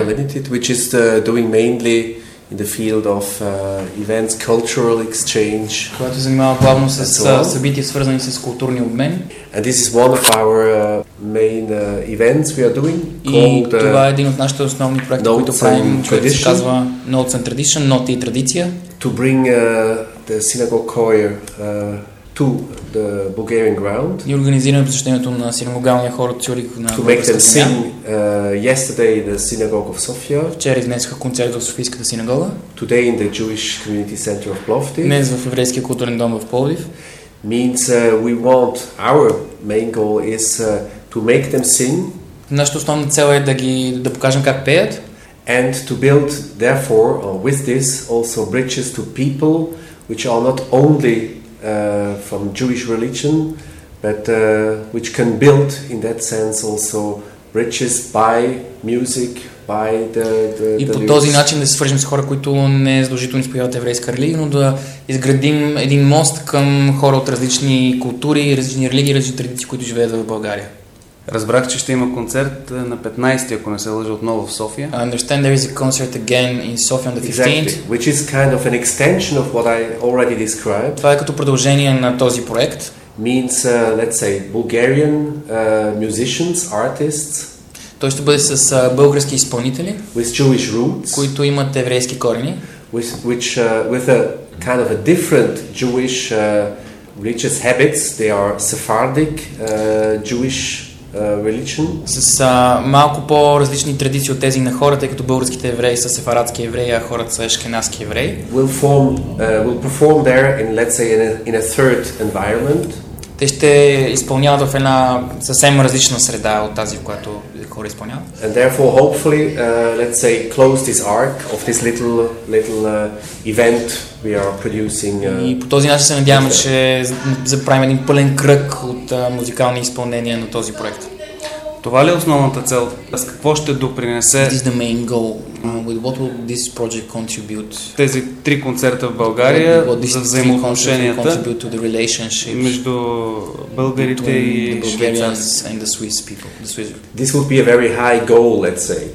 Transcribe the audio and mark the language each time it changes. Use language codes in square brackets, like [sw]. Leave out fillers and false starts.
[en] Bulgaria Limited, which is doing mainly in the field of events, cultural exchange. [bg] Която занимава главно с събития, свързани с културни обмен. [en] And this is one of our main events we are doing. [bg] И това е един от нашите основни проекти, които правим, който се казва Notes and Tradition, Ноти и традиция. [en] To bring the synagogue choir to the Bulgarian ground. [bg] И организираме посещението на синагогалния хор от Цюрих на българска земя. [en] Sing, yesterday the synagogue of Sofia. [bg] Вчера изнесоха концерт в Софийската синагога. [en] Today in the Jewish community center of Plovdiv. [bg] Днес в еврейския културен дом в Пловдив. [en] Means we want, our main goal is to make them sing. [bg] Нашата основна цел е да покажем как пеят. [en] And to build therefore with this also bridges to people which are not only from Jewish religion, but which can build in that sense also bridges by music, by the [bg] И по този начин да се свържим с хора, които не е задължително изповядват еврейска религия, но да изградим един мост към хора от различни култури, различни религии, различни традиции, които живеят в България. Разбрах, че ще има концерт на 15-ти, ако не се лъжа, отново в София. [en] I understand there is a concert again in Sofia on the 15th. Exactly, which is kind of an extension of what I already described. [bg] Това е като продължение на този проект. [en] Means, let's say, Bulgarian musicians, artists. [bg] Той ще бъде с български изпълнители. [en] With Jewish roots. [bg] Които имат еврейски корени. [en] With a kind of a different Jewish religious habits. They are Sephardic Jewish religion. [bg] С малко по-различни традиции от тези на хората, тъй като българските евреи са сефарадски евреи, а хората са ешкенадски евреи. [en] We'll perform there in, let's say, in a third environment. [bg] Те ще изпълняват в една съвсем различна среда от тази, в която хора изпълняват. [en] And therefore, hopefully, let's say, close this arc of this little event we are producing. [bg] И по този начин се надяваме, че заправим един пълен кръг от музикални изпълнения на този проект. Това ли е основната цел? С какво ще допринесе? [en] This is the main goal. With what will this project contribute? [bg] Тези три концерта в България за взаимоотношенията [en] contribute to the relationship [bg] между българите и [en] Bulgarians and the Swiss people. The Swiss. This would be a very high goal, let's say.